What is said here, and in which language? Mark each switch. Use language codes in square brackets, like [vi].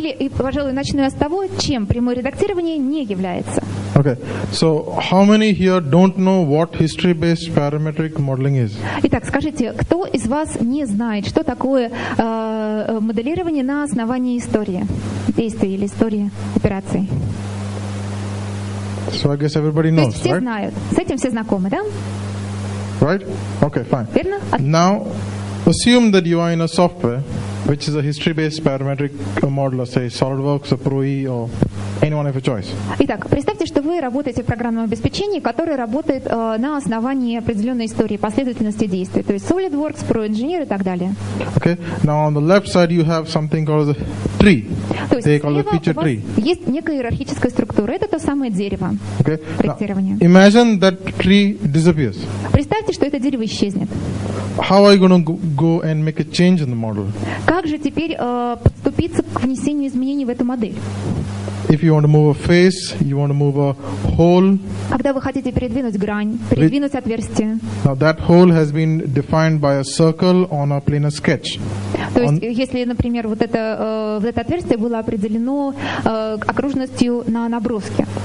[ru] И, пожалуй, начну я с того, чем прямое редактирование не является. [en] Okay. So how many here don't know what history-based parametric modeling is? [ru] Итак, скажите, кто из вас не знает, что такое моделирование на основании истории, действий или истории операций? [en] So I guess everybody knows, [ru] То есть все [en] right? [ru] знают. С этим все знакомы, да? [en] Right? Okay, fine. [ru] Верно? [en] Now, assume that you are in a software, which is a history-based parametric model, say SolidWorks, or ProE, or anyone of your choice. [ru] Итак, представьте, что вы работаете в программном обеспечении, которое работает на основании определенной истории, последовательности действий. То есть SolidWorks, ProEngineer и так далее. [en] Okay. Now, on the left side, you have something called a tree. [ru] То есть [en] They call it a feature tree. [ru] Есть некая иерархическая структура. Это то самое дерево. [en] Okay. [ru] Проектирование. [en] Now, imagine that tree disappears. [ru] Представьте, что это дерево исчезнет. [en] How are you going to go and make a change in the model? [ru] Как же теперь подступиться к внесению изменений в эту модель? [en] If you want to move a face, you want to move a hole. [ru] Когда вы хотите передвинуть грань, передвинуть отверстие. [en] Now that hole has been defined by a circle on a planar sketch. [ru] То есть, если, например, вот это отверстие было определено окружностью на наброске.